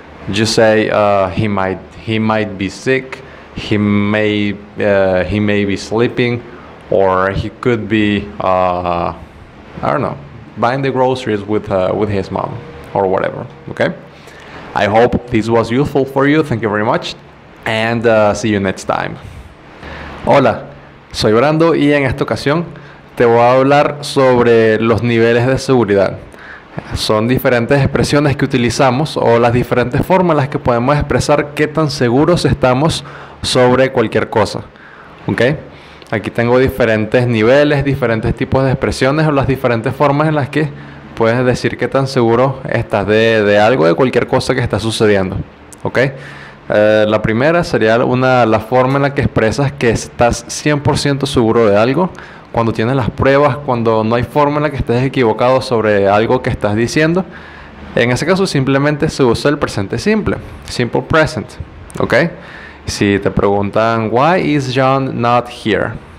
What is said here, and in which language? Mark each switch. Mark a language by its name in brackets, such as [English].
[English] Just say he might be sick. He may be sleeping, or he could be buying the groceries with his mom or whatever. Okay. I hope this was useful for you. Thank you very much, and see you next time. [Spanish] Hola, soy Brando y en esta ocasión. Te voy a hablar sobre los niveles de seguridad. Son diferentes expresiones que utilizamos o las diferentes formas en las que podemos expresar qué tan seguros estamos sobre cualquier cosa. ¿Okay? Aquí tengo diferentes niveles, diferentes tipos de expresiones o las diferentes formas en las que puedes decir qué tan seguro estás de algo, de cualquier cosa que está sucediendo. ¿Okay? La primera sería la forma en la que expresas que estás 100% seguro de algo. Cuando tienes las pruebas, cuando no hay forma en la que estés equivocado sobre algo que estás diciendo, en ese caso simplemente se usa el presente simple, simple present, ¿ok? Si te preguntan, [English] why is John not here?